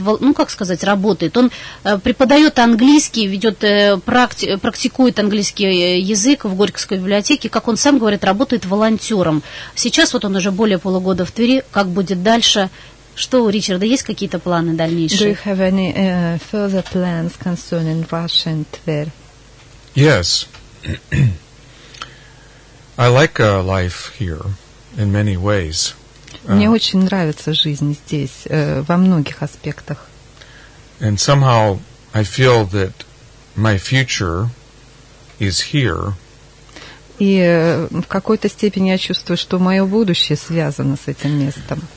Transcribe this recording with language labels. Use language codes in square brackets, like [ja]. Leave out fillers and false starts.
[ru] Он преподает английский, ведет практикует английский язык в Горьковской библиотеке. Как он сам говорит, работает волонтером. Сейчас вот он уже более полугода в Твери. Как будет дальше? Что у Ричарда есть какие-то планы дальнейшие? [en] Do you have any further plans concerning Russia and Tver? Yes. I like life here in many ways. [ru] Мне очень нравится жизнь здесь во многих аспектах. [en] And somehow I feel that my future is here. [ru] И в какой-то степени я чувствую, что мое будущее связано с этим местом.